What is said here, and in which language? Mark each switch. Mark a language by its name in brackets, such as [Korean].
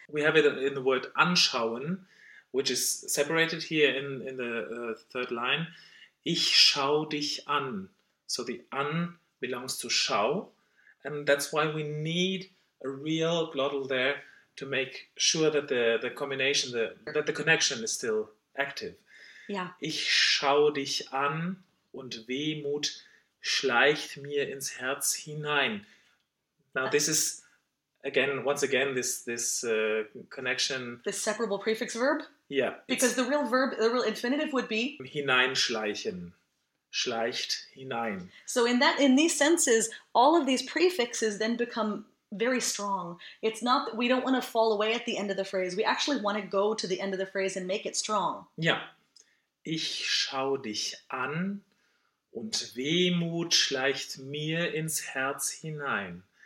[English] We have it in the word anschauen, which is separated here in the third line. [German] Ich schau dich an. [English] So the an belongs to schau. And that's why we need a real glottal there to make sure that the combination, that the connection is still active. Yeah. [German] Ich schau dich an und Wehmut schleicht mir ins Herz hinein. [English] Now this is, this connection. The separable prefix verb? Yeah. Because the real verb, the real infinitive would be? [German] Hineinschleichen. Schleicht hinein. [English] So in these senses, all of these prefixes then become very strong. It's not that we don't want to fall away at the end of the phrase. We actually want to go to the end of the phrase and make it strong. Yeah. [German] Ich schau dich an und Wehmut schleicht mir ins Herz hinein.